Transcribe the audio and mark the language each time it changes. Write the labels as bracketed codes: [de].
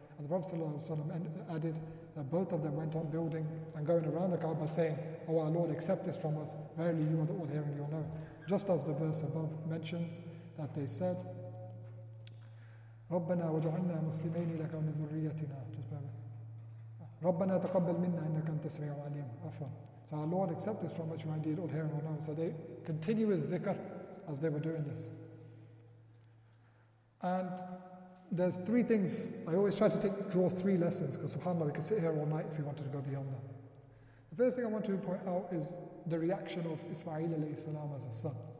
[en] And the Prophet ﷺ added that both of them went on building and going around the Kaaba saying, "Oh, our Lord, accept this from us, verily you are the all hearing, the all knowing." Just as the verse above mentions that they said, [ar] رَبَّنَا وَجَعَلْنَا مُسْلِمَيْنِ لَكَ وَمِنْ ذُرِّيَّتِنَا. [en] Just bear [ar] رَبَّنَا تَقَبَّلْ مِنَّا إِنَّكَ أَنْتَ السَّمِيعُ الْعَلِيمُ. Afwan. [en] So our Lord, accept this from us, you are indeed all hearing, all knowing. So they continue with dhikr as they were doing this. And there's three things. I always try to draw three lessons, because subhanAllah, we could sit here all night if we wanted to go beyond that. The first thing I want to point out is the reaction of Ismail alayhi salam as a son.